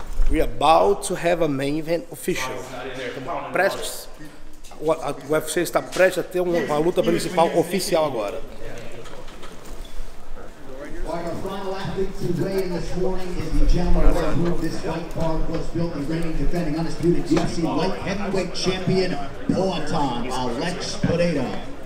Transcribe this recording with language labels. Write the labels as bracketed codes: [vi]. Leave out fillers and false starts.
[en] We are about to have a main event official. [pt] Prestes. O UFC está prestes a ter uma luta principal oficial agora. [en] Our final athlete to weigh in this morning is the gentleman who approved this fight card was built and reigning defending undisputed UFC light heavyweight champion Boateng Alex Pereira.